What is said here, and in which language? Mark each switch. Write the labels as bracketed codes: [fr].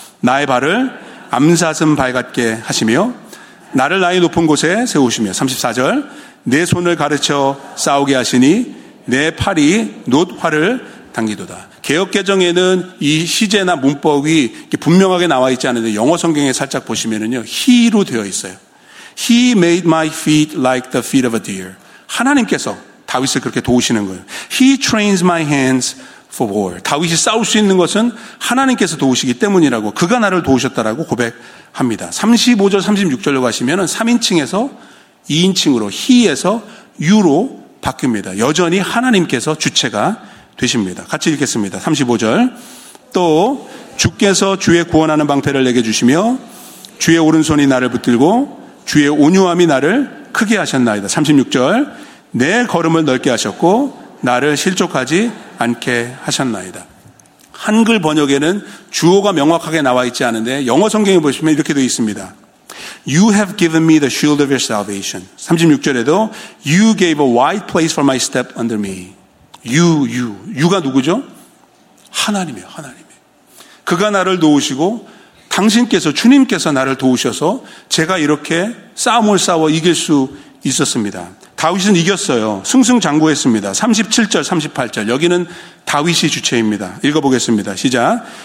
[ko] 나의 발을 암사슴 발 같게 하시며 나를 나의 높은 곳에 세우시며, 34절, 내 손을 가르쳐 싸우게 하시니 내 팔이 놋활을 당기도다. 개역개정에는 이 시제나 문법이 분명하게 나와 있지 않은데 영어 성경에 살짝 보시면은요, he로 되어 있어요. [en] He made my feet like the feet of a deer. [ko] 하나님께서 다윗을 그렇게 도우시는 거예요. [en] He trains my hands for war. [ko] 다윗이 싸울 수 있는 것은 하나님께서 도우시기 때문이라고 그가 나를 도우셨다라고 고백합니다. 35절 36절로 가시면 3인칭에서 2인칭으로 he에서 you로 바뀝니다. 여전히 하나님께서 주체가 되십니다. 같이 읽겠습니다. 35절 또 주께서 주의 구원하는 방패를 내게 주시며 주의 오른손이 나를 붙들고 주의 온유함이 나를 크게 하셨나이다. 36절 내 걸음을 넓게 하셨고 나를 실족하지 않게 하셨나이다. 한글 번역에는 주어가 명확하게 나와 있지 않은데 영어 성경에 보시면 이렇게 되어 있습니다. [en] You have given me the shield of your salvation. 36절에도 You gave a wide place for my step under me. [ko] You가 누구죠? 하나님이에요. 하나님이. 그가 나를 도우시고 당신께서 주님께서 나를 도우셔서 제가 이렇게 싸움을 싸워 이길 수 있었습니다. 다윗은 이겼어요. 승승장구했습니다. 37절 38절 여기는 다윗이 주체입니다. 읽어보겠습니다. 시작.